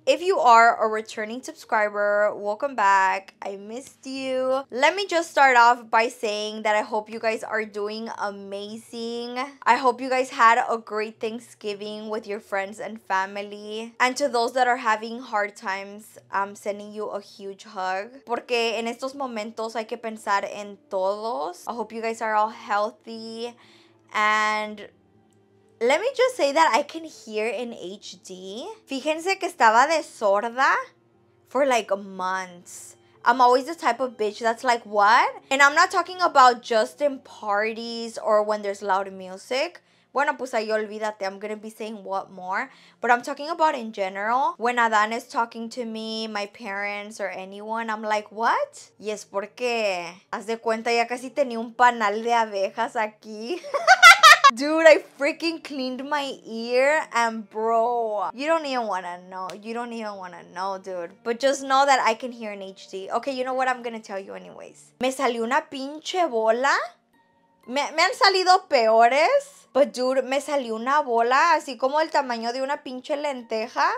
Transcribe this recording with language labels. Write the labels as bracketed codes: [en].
[en] If you are a returning subscriber, welcome back. I missed you. Let me just start off by saying that I hope you guys are doing amazing. I hope you guys had a great Thanksgiving with your friends and family. And to those that are having hard times, I'm sending you a huge hug. [es] Porque en estos momentos hay que pensar en todos. [en] I hope you guys are all healthy. And let me just say that I can hear in HD. [es] Fíjense que estaba de sorda [en] for like months. I'm always the type of bitch that's like, what? And I'm not talking about just in parties or when there's loud music. [es] Bueno, pues ahí olvídate. [en] I'm gonna be saying what more. But I'm talking about in general. When Adán is talking to me, my parents, or anyone, I'm like, what? [es] Y es porque, haz de cuenta, ya casi tenía un panal de abejas aquí. [en] Dude, I freaking cleaned my ear, and bro, you don't even wanna know. You don't even wanna know, dude. But just know that I can hear in HD. Okay, you know what? I'm gonna tell you anyways. [es] Me salió una pinche bola. Me han salido peores. [en] But dude, [es] me salió una bola, así como el tamaño de una pinche lenteja.